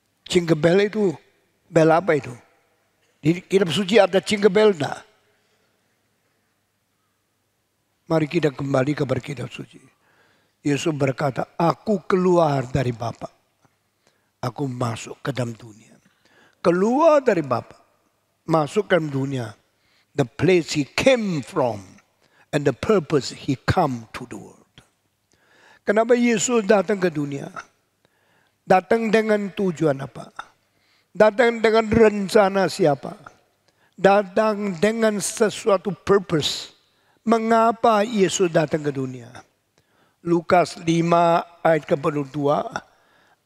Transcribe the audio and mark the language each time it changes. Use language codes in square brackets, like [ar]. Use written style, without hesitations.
[id] Jingle bell itu, bell apa itu? Di kitab suci ada jingle bell tidak? Mari kita kembali ke kitab suci. Yesus berkata, aku keluar dari Bapa, aku masuk ke dalam dunia. Keluar dari Bapa, masuk ke dalam dunia. [en] The place he came from and the purpose he come to the world. [id] Kenapa Yesus datang ke dunia? Datang dengan tujuan apa? Datang dengan rencana siapa? Datang dengan sesuatu purpose. Mengapa Yesus datang ke dunia? Lukas 5 ayat ke 22.